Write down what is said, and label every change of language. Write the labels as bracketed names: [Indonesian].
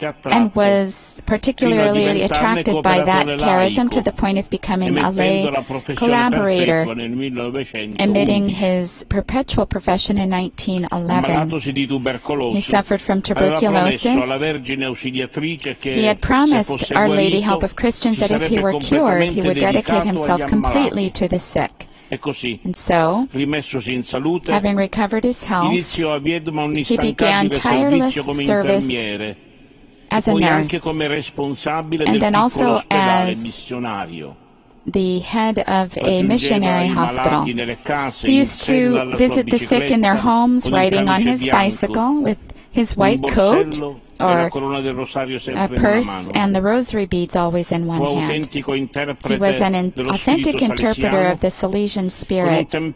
[English] and was particularly attracted by that charism to the point of becoming a lay collaborator, emitting his perpetual profession in 1911. He suffered from tuberculosis. He had promised Our Lady Help of Christians that if he were cured, he would dedicate himself completely to the sick. [Italian] E così, [English] and so, [Italian] rimessosi in salute, [English] having recovered his health, [Italian] iniziò a Viedma un instancabile servizio come infermiere, [English] as a nurse, [Italian] e poi anche come responsabile del piccolo ospedale missionario. [English] The head of a missionary hospital. He used to visit the sick in their homes, riding on his bicycle with his white coat, or a purse and the rosary beads always in one hand. He was an authentic interpreter of the Salesian spirit.